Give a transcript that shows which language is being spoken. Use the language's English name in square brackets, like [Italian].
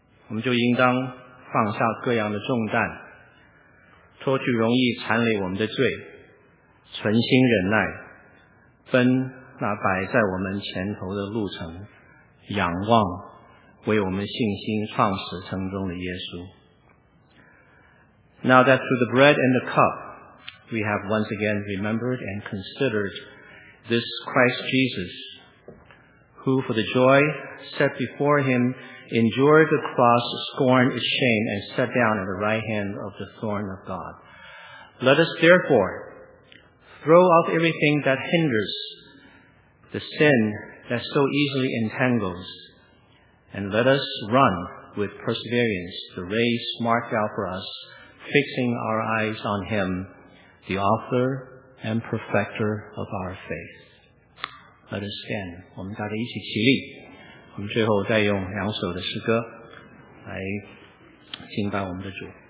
[Chinese] 我们就应当放下各样的重担，脱去容易缠累我们的罪，存心忍耐，奔那摆在我们前头的路程，仰望为我们信心创始成终的耶稣。 [English] Now that through the bread and the cup we have once again remembered and considered this Christ Jesus, who for the joy set before him endured the cross, scorned its shame, and sat down at the right hand of the throne of God. Let us therefore throw off everything that hinders, the sin that so easily entangles, and let us run with perseverance the race marked out for us, fixing our eyes on him, the author and perfecter of our faith. Let us stand. [Chinese] 我们大家一起起立，我们最后再用两首的诗歌来敬拜我们的主。